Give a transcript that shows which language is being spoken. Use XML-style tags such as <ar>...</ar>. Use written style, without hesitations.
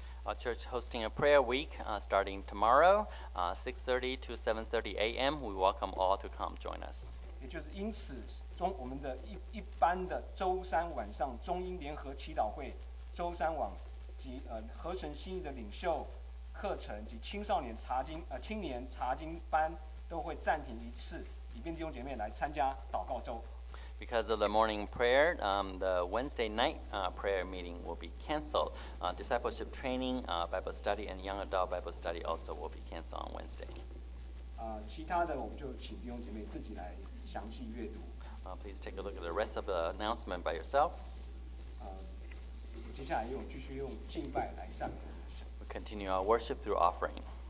<en>Our church hosting a prayer week starting tomorrow, 6:30-7:30 a.m. We welcome all to come join us.</en> <zh>也就是因此，我们的一般的周三晚上中英联合祈祷会，周三晚及合神心意的领袖课程及青少年查经青年查经班都会暂停一次，以便弟兄姐妹来参加祷告周。</zh> <en>Because of the morning prayer, the Wednesday night prayer meeting will be canceled. Discipleship training, Bible study, and young adult Bible study also will be canceled on Wednesday.</en> <zh>其他的我们就请弟兄姐妹自己来详细阅读。</zh> <en>Please take a look at the rest of the announcement by yourself.</en> <zh>接下来又继续用敬拜来赞美。</zh> <en>We'll continue our worship through offering.</en>